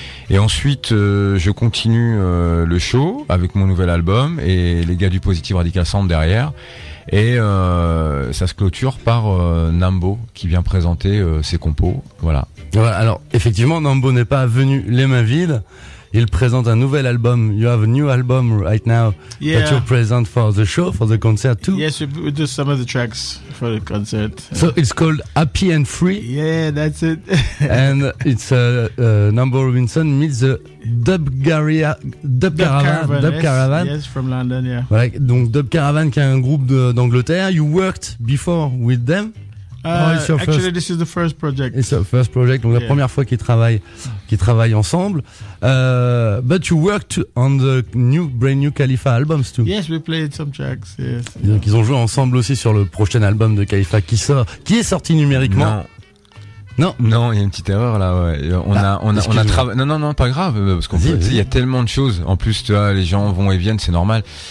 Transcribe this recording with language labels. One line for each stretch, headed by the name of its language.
French: Et ensuite, je continue le show avec mon nouvel album et les gars du Positive Radical Sound derrière. Et ça se clôture par Nambo qui vient présenter ses compos. Voilà. Ouais, alors, effectivement, Nambo n'est pas venu les mains vides. Il présente un nouvel album.
English: You have a new album right now, yeah, that you present for the show, for the concert too. Yes, we do some of the tracks for the concert. So it's called Happy and Free. Yeah, that's it. And it's Number Robinson meets the Dub Caravan. Yes, from London, yeah.
French: Voilà, donc Dub Caravan qui est un groupe d'Angleterre.
English: You worked before with them. This is the first project. It's the first project,
French: donc yeah, la première fois qu'ils travaillent ensemble.
English: But you worked on the new, brand new Khalifa albums too. Yes, we played some tracks. Yes.
French: Et donc ils ont joué ensemble aussi sur le prochain album de Khalifa qui est sorti numériquement. Non, il y a une petite erreur là. Ouais. Non, pas grave, parce qu'on peut. Il y a tellement de choses. En plus, tu vois, les gens vont et viennent, c'est normal.